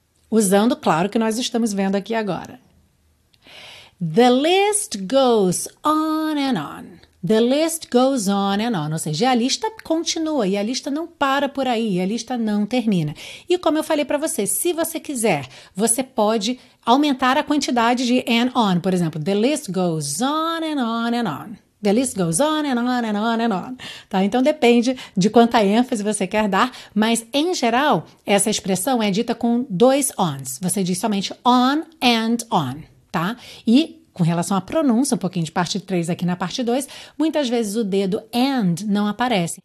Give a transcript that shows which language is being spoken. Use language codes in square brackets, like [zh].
[pt] Usando, claro, o que nós estamos vendo aqui agora. [en] The list goes on and on. The list goes on and on. [pt] Ou seja, a lista continua e a lista não para por aí. A lista não termina. E como eu falei para você, se você quiser, você pode aumentar a quantidade de and on. Por exemplo, [en] the list goes on and on and on. The list goes on and on and on and on. [pt] Tá? Então, depende de quanta ênfase você quer dar, mas, em geral, essa expressão é dita com dois ons. Você diz somente on and on, tá? E, com relação à pronúncia, um pouquinho de parte 3 aqui na parte 2, muitas vezes o dedo and não aparece.